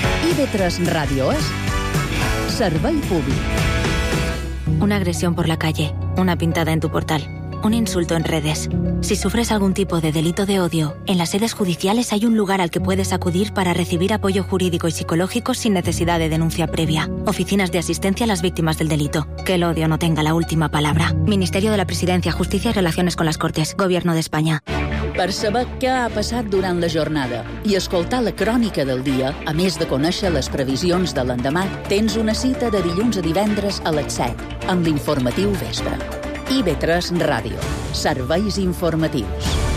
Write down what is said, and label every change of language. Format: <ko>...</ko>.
<ca>IB3 Ràdio és servei públic.</ca> <es>Una agressió per la calle, una pintada en tu portal. Un insulto en redes. Si sufres algún tipo de delito de odio, en las sedes judiciales hay un lugar al que puedes acudir para recibir apoyo jurídico y psicológico sin necesidad de denuncia previa. Oficinas de asistencia a las víctimas del delito. Que el odio no tenga la última palabra. Ministerio de la Presidencia, Justicia y Relaciones con las Cortes. Gobierno de España.</es> <ca>Per saber què ha passat durant la jornada i escoltar la crònica del dia, a més de conèixer les previsions de l'endemà, tens una cita de dilluns a divendres a les 7 amb l'informatiu vespre. IB3 Ràdio. Serveis informatius.</ca>